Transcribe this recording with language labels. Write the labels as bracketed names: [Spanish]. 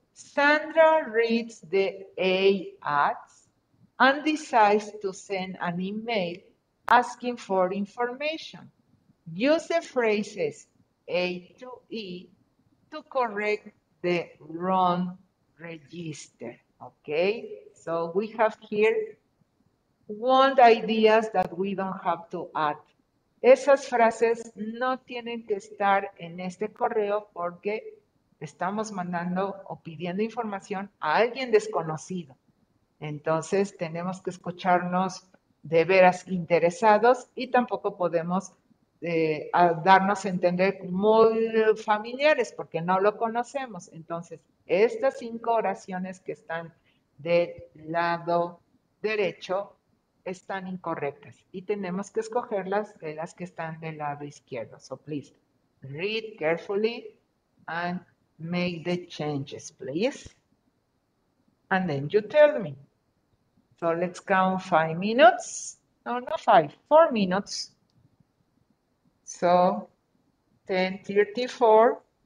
[English] Sandra reads the A ads and decides to send an email asking for information. Use the phrases A to E to correct the wrong register. Okay. So we have here one ideas that we don't have to add. [Spanish] Esas frases no tienen que estar en este correo porque estamos mandando o pidiendo información a alguien desconocido. Entonces, tenemos que escucharnos de veras interesados y tampoco podemos darnos a entender muy familiares porque no lo conocemos. Entonces, estas cinco oraciones que están del lado derecho están incorrectas y tenemos que escogerlas de las que están del lado izquierdo. [English] So, please, read carefully and make the changes, please. And then you tell me. So let's count 5 minutes. No, not 4 minutes. So 10:34.